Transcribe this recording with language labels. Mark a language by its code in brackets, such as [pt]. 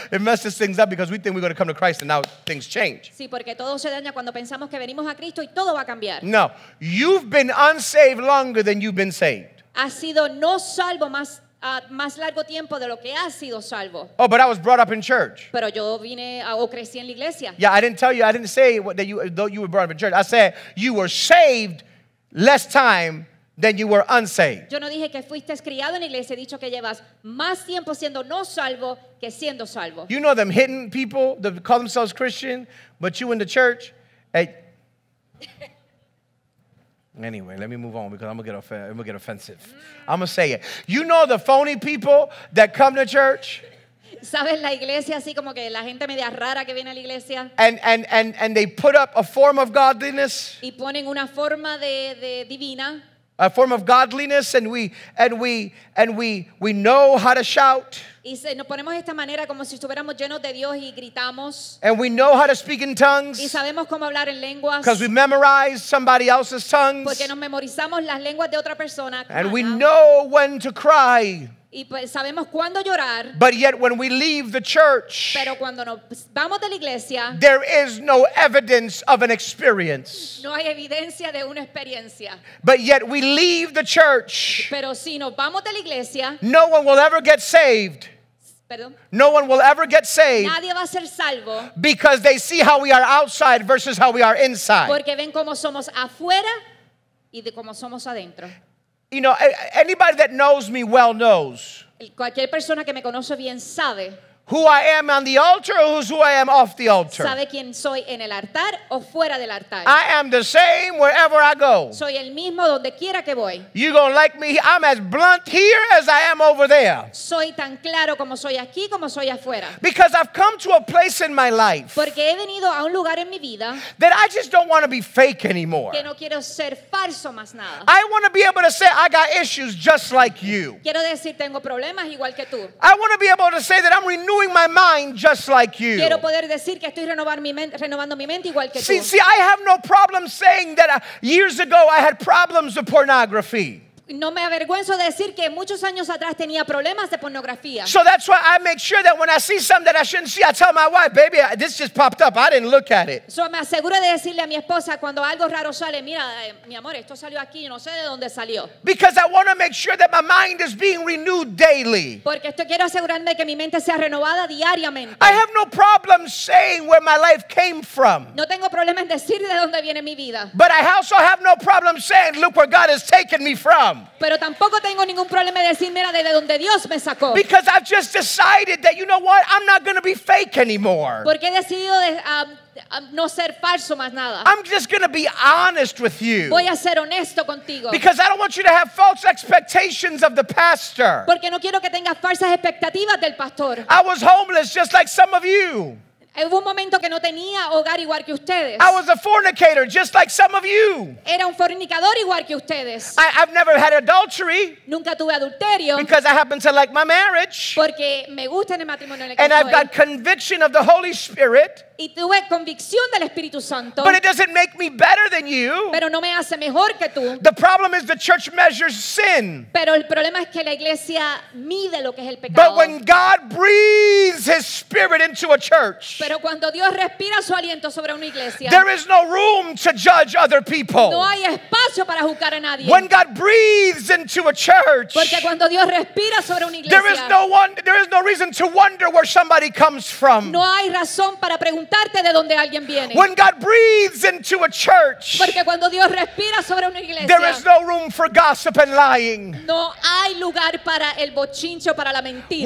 [en] It messes things up because we think we're going to come to Christ and now things change. [es] Sí, porque todo se daña cuando pensamos que venimos a Cristo y todo va a cambiar. [en] No, you've been unsaved longer than you've been saved. [es] Has sido no salvo más largo tiempo de lo que has sido salvo. [en] Oh, but I was brought up in church. [es] Pero yo vine o crecí en la iglesia. [en] Yeah, I didn't tell you, I didn't say that you were brought up in church. I said you were saved less time than you were unsaved. [es] Yo no dije que fuiste criado en la iglesia. He dicho que llevas más tiempo siendo no salvo que siendo salvo. [en] You know them hidden people that call themselves Christian, but you in the church. Hey. Anyway, let me move on because I'm gonna get offensive. I'm gonna say it. You know the phony people that come to church? [es] ¿Sabes la iglesia así como que la gente media rara que viene a la iglesia? [en] And they put up a form of godliness. [es] Y ponen una forma de divina. [en] A form of godliness, and we know how to shout. [es] Y nos ponemos esta manera como si estuviéramos llenos de Dios y gritamos. [en] And we know how to speak in tongues. [es] Y sabemos cómo hablar en lenguas. [en] Because we memorize somebody else's tongues. [es] Porque nos memorizamos las lenguas de otra persona. [en] And we know when to cry. [es] Y sabemos cuándo llorar. [en] But yet when we leave the church, [es] pero cuando nos vamos de la iglesia, [en] there is no evidence of an experience. [es] No hay evidencia de una experiencia. [en] But yet we leave the church, [es] pero si nos vamos de la iglesia, [en] no one will ever get saved. [es] Perdón. [en] No one will ever get saved. [es] Nadie va a ser salvo. [en] Because they see how we are outside versus how we are inside. [es] Porque ven cómo somos afuera y de cómo somos adentro. [en] You know, anybody that knows me well knows. [es] Cualquier persona que me conoce bien sabe. [en] Who I am on the altar or who I am off the altar. [es] Sabe quién soy en el altar o fuera del altar. [en] I am the same wherever I go. [es] Soy el mismo donde quiera que voy. [en] You gonna like me? I'm as blunt here as I am over there. [es] Soy tan claro como soy aquí como soy afuera. [en] Because I've come to a place in my life. [es] Porque he venido a un lugar en mi vida. [en] That I just don't want to be fake anymore. [es] Que no quiero ser falso más nada. [en] I want to be able to say I got issues just like you. [es] Quiero decir tengo problemas igual que tú. [en] I want to be able to say that I'm renewed. Renewing my mind just like you. [es] Quiero poder decir que estoy renovando mi mente igual que tú. [en] See, I have no problem saying that years ago I had problems with pornography. [es] No me avergüenzo de decir que muchos años atrás tenía problemas de pornografía. [en] So that's why I make sure that when I see something that I shouldn't see, I tell my wife, baby, this just popped up. I didn't look at it. [es] So me aseguro de decirle a mi esposa cuando algo raro sale, mira, mi amor, esto salió aquí, yo no sé de dónde salió. [en] Because I want to make sure that my mind is being renewed daily. [es] Porque esto quiero asegurarme que mi mente sea renovada diariamente. [en] I have no problem saying where my life came from. [es] No tengo problema en decir de dónde viene mi vida. [en] But I also have no problem saying, look where God has taken me from. [es] Pero tampoco tengo ningún problema de decir mira de donde Dios me sacó. [en] Because I've just decided that you know what, I'm not going to be fake anymore. [es] Porque he decidido no ser falso más nada. [en] I'm just going to be honest with you. [es] Voy a ser honesto contigo. [en] Because I don't want you to have false expectations of the pastor. [es] Porque no quiero que tengas falsas expectativas del pastor. [en] I was homeless just like some of you. [es] Hubo un momento que no tenía hogar igual que ustedes. [en] I was a fornicator, just like some of you. [es] Era un fornicador igual que ustedes. [en] I've never had adultery. [es] Nunca tuve adulterio. [en] Because I happen to like my marriage. [es] Porque me gusta en el matrimonio en el que [en] And [es] estoy. [en] I've got conviction of the Holy Spirit. [es] Y tuve convicción del Espíritu Santo. [en] But it doesn't make me better than you. [es] Pero no me hace mejor que tú. [en] The problem is the church measures sin. [es] Pero el problema es que la iglesia mide lo que es el pecado. [en] But when God breathes His Spirit into a church, [es] pero cuando Dios respira su aliento sobre una iglesia, [en] there is no room to judge other people. [es] No hay espacio para juzgar a nadie. [en] When God breathes into a church, [es] porque cuando Dios respira sobre una iglesia, [en] there is no reason to wonder where somebody comes from. [es] No hay razón para preguntar levantarte de donde alguien viene. [en] When God breathes into a church, [es] porque cuando Dios respira sobre una iglesia, [en] there is no room for gossip and lying. [es] No hay lugar para el bochincho, para la mentira.